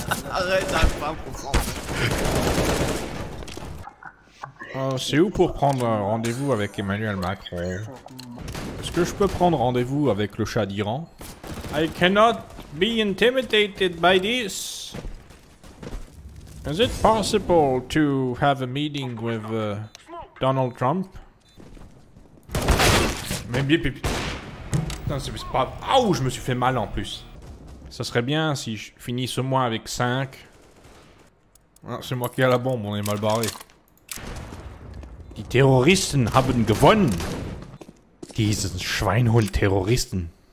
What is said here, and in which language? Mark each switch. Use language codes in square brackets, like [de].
[fr] Arrête, t'as pas compris. C'est où pour prendre rendez-vous avec Emmanuel Macron? Est-ce que je peux prendre rendez-vous avec le Shah d'Iran? [en] I cannot be intimidated by this. Is it possible to have a meeting with Donald Trump? [fr] Mais bien, putain, c'est pas... Ouh, je me suis fait mal en plus. Ça serait bien si je finisse au moins avec 5. Ah, c'est moi qui ai la bombe, on est mal barré. [de] Die Terroristen haben gewonnen. Diesen Schweinhund-Terroristen.